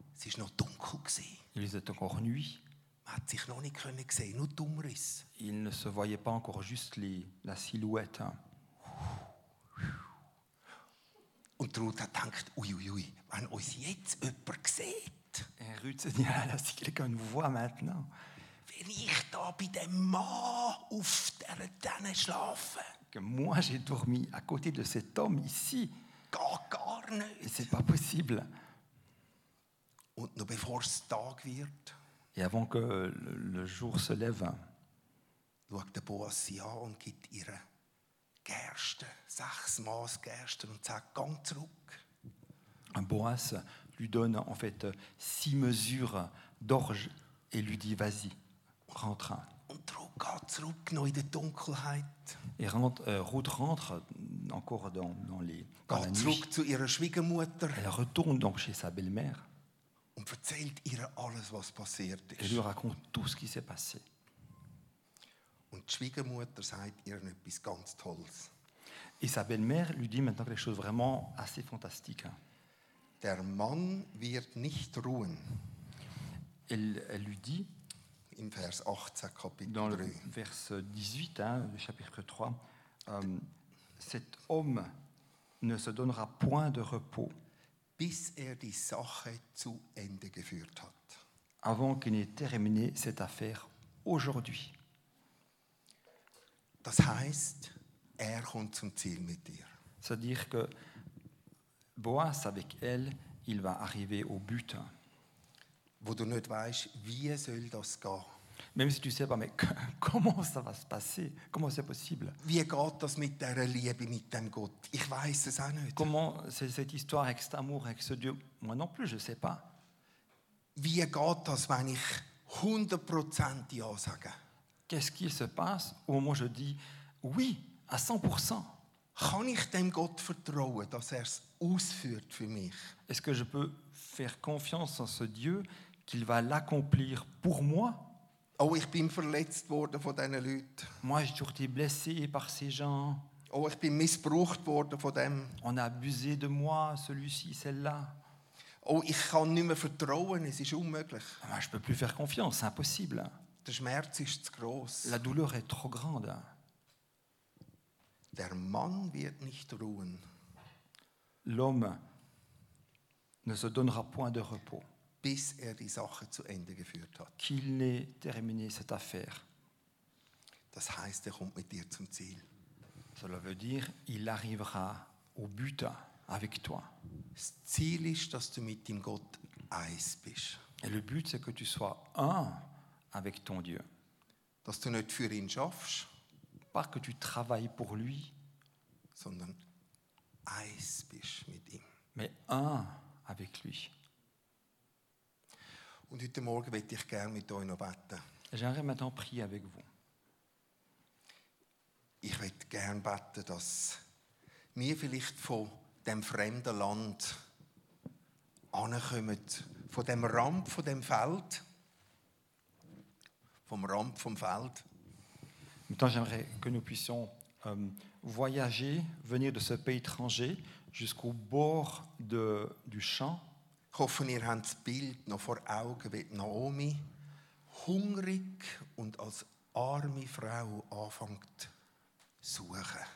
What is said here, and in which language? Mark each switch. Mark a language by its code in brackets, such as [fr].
[de] Es ist noch dunkel gewesen. [fr] Il était encore nuit. [de] Man hat sich noch nicht können gesehen, nur die Umrisse. [fr] Il ne se voyait pas encore juste les, la silhouette. [de] Und Ruth hat gedacht, uiuiui, wenn uns jetzt jemand sieht. [fr] Et Ruth s'est dit, là, si quelqu'un nous voit maintenant. [de] Wenn ich da bei dem Mann auf der Tanne schlafe. [fr] Que moi j'ai dormi à côté de cet homme ici. [de] Gar nicht. [fr] Et c'est pas possible. [de] Und noch bevor es Tag wird. [fr] Et avant que le jour se lève. [de] Schaut der Boas sie an und gibt ihre Gerste, sechs Maß Gerste und sagt, geh zurück. [fr] Un Boas lui donne en fait six mesures d'orge et lui dit, vas-y, rentre. [de] Und Ruth geht zurück noch in der Dunkelheit. [fr] Et rentre, Ruth rentre encore dans, dans les, dans [de] geht zurück zu ihrer Schwiegermutter. [fr] Elle retourne donc chez sa belle-mère. [de] Und erzählt ihr alles, was passiert ist. [fr] Et lui raconte tout ce qui s'est passé. [de] Und die Schwiegermutter sagt ihr etwas ganz Tolles. [fr] Et sa belle-mère lui dit maintenant quelque chose vraiment assez fantastique. [de] Der Mann wird nicht ruhen. [fr] Elle lui dit, [de] im Vers 18, Kapitel 3. [fr] Dans le vers 18, hein, le chapitre 3. Cet homme ne se donnera point de repos. [de] Bis er die Sache zu Ende geführt hat. [fr] Avant qu'il n'ait terminé cette affaire aujourd'hui. [de] Das heißt, er kommt zum Ziel mit dir. [fr] C'est-à-dire que Boas avec elle, il va arriver au but. [de] Wo du nicht weißt, wie soll das gehen. [fr] Même si tu sais pas, mais comment ça va se passer? Comment c'est possible? [de] Wie geht das mit der Liebe, mit dem Gott? Ich weiß es auch nicht. [fr] Comment c'est cette histoire avec cet amour, avec ce Dieu? Moi non plus, je sais pas. [de] Wie geht das, wenn ich 100% ja sage? [fr] Qu'est-ce qui se passe au moment où je dis oui, à 100%? [de] Kann ich dem Gott vertrauen, dass er es ausführt für mich? [fr] Est-ce que je peux faire confiance en ce Dieu qu'il va l'accomplir pour moi? [de] Oh, ich bin verletzt worden von diesen Leuten. [fr] Moi, j'ai toujours été blessé par ces gens. [de] Oh, ich bin missbraucht worden von dem. [fr] On a abusé de moi, celui-ci, celle-là. [de] Oh, ich kann nicht mehr vertrauen, es ist unmöglich. [fr] Moi, je peux plus faire confiance, c'est impossible. [de] Der Schmerz ist zu gross. [fr] La douleur est trop grande. [de] Der Mann wird nicht ruhen. [fr] L'homme ne se donnera point de repos. [de] Bis er die Sache zu Ende geführt hat. [fr] Qu'il n'ait terminé cette affaire. [de] Das heißt, er kommt mit dir zum Ziel. [fr] Cela veut dire, il arrivera au but avec toi. [de] Das Ziel ist, dass du mit dem Gott eins bist. [fr] Et le but, c'est que tu sois un avec ton Dieu. [de] Dass du nicht für ihn schaffst. [fr] Pas que tu travailles pour lui. [de] Sondern eins bist mit ihm. [fr] Mais un avec lui. [de] Und heute Morgen möchte ich gerne mit euch noch beten. [fr] J'aimerais maintenant prier avec vous. [de] Ich möchte gerne beten, dass wir vielleicht von dem fremden Land ankommen, von dem Rand von dem Feld, vom Rand vom Feld. [fr] Maintenant, j'aimerais que nous puissions voyager, venir de ce pays étranger jusqu'au bord de, du champ. [de] Ich hoffe, ihr habt das Bild noch vor Augen, wie Naomi hungrig und als arme Frau anfängt zu suchen.